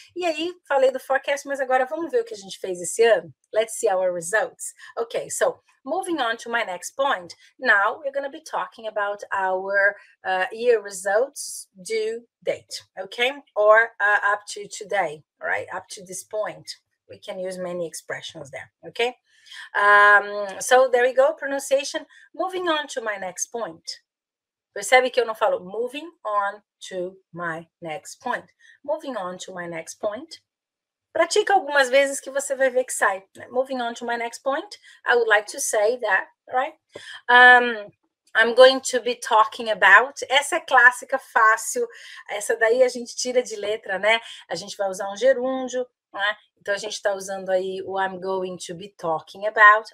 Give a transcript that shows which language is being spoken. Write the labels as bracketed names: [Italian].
[Portuguese] E aí, falei do forecast, mas agora vamos ver o que a gente fez esse ano? [English] Let's see our results. Okay, so moving on to my next point. Now, we're going to be talking about our year results due date, okay? Or up to today, right? Up to this point. We can use many expressions there, okay? So there we go, pronunciation. Moving on to my next point. [Portuguese] Percebe que eu não falo [English] moving on to my next point. Moving on to my next point. [Portuguese] Pratica algumas vezes que você vai ver que sai. [English] Moving on to my next point, I would like to say that, right? I'm going to be talking about, [Portuguese] essa é clássica, fácil, essa daí a gente tira de letra, né? A gente vai usar um gerúndio, né? Então, a gente está usando aí o [English] I'm going to be talking about.